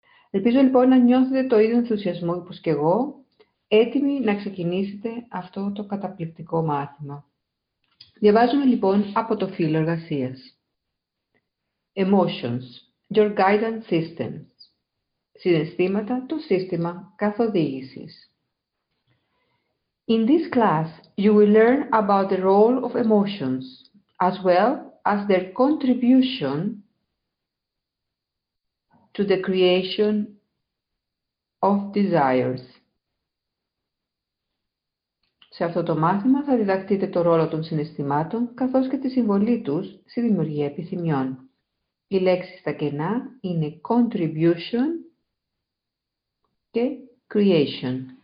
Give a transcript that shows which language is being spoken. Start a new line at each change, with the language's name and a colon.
Greek: Ελπίζω λοιπόν να νιώθετε το ίδιο ενθουσιασμό όπως και εγώ, έτοιμοι να ξεκινήσετε αυτό το καταπληκτικό μάθημα. Διαβάζουμε λοιπόν από το φύλλο εργασίας.
English: Emotions, your guidance systems.
Greek: Συναισθήματα, το σύστημα καθοδήγησης.
English: In this class, you will learn about the role of emotions, as well as their contribution to the creation of desires.
Greek: Σε αυτό το μάθημα θα διδαχτείτε το ρόλο των συναισθημάτων, καθώς και τη συμβολή τους στη δημιουργία επιθυμιών. Οι λέξεις στα κενά είναι contribution και creation.